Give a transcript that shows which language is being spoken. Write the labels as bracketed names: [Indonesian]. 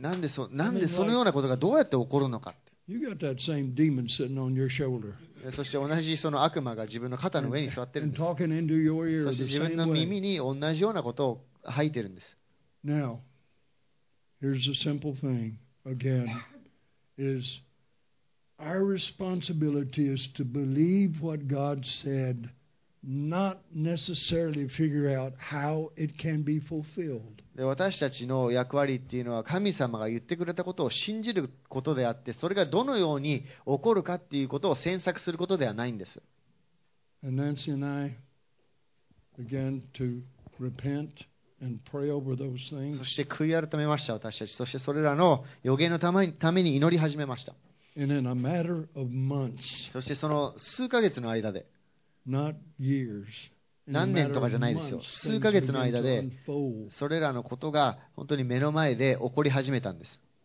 [Japanese] なんでそのようなことがどうやって起こるのかって。 [English] You got that same demon sitting on your shoulder. [Japanese] そして同じその悪魔が自分の肩の上に座ってるんです。 [English] And talking into your ear. [Japanese] そして自分の耳に同じようなことを吐いてるんです。 [English] Now, here's a simple thing again: is our responsibility is to believe what God said, not necessarily figure out how it can be fulfilled. [Japanese] で私たちの役割っていうのは神様が言ってくれたことを信じることであって、それがどのように起こるかっていうことを詮索することではないんです。 [English] Nancy and I began to repent and pray over those things. [Japanese] そして悔い改めました、私たち。そしてそれらの予言のために祈り始めました。 [English] And in a matter of months, [Japanese] そしてその数ヶ月の間で、 [English] not years. [Japanese] 何年とかじゃないですよ、数ヶ月の間でそれらのことが本当に目の前で起こり始めたんです。